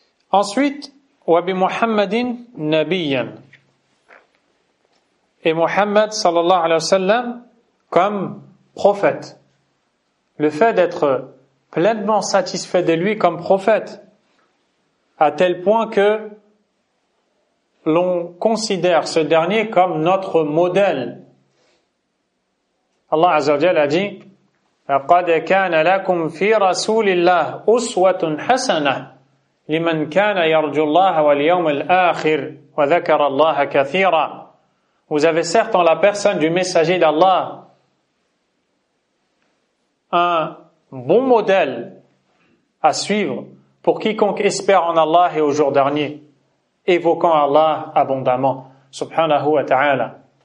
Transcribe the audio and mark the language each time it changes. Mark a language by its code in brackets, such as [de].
[fr] Ensuite, [ar] وَبِ مُحَمَّدٍ نَبِيًّا [fr] et Muhammad sallallahu alayhi wa sallam comme prophète. Le fait d'être pleinement satisfait de lui comme prophète à tel point que l'on considère ce dernier comme notre modèle. Allah azza wa jalla a dit [ar] لَقَدْ كَانَ لَكُمْ فِي رَسُولِ اللَّهِ أُسْوَةٌ حَسَنَةٌ لِمَنْ كَانَ يَرْجُ اللَّهَ وَالْيَوْمَ الْآخِرِ وَذَكَرَ اللَّهَ كَثِيرًا. [fr] Vous avez certes en la personne du messager d'Allah un bon modèle à suivre pour quiconque espère en Allah et au jour dernier, évoquant Allah abondamment, subhanahu wa ta'ala.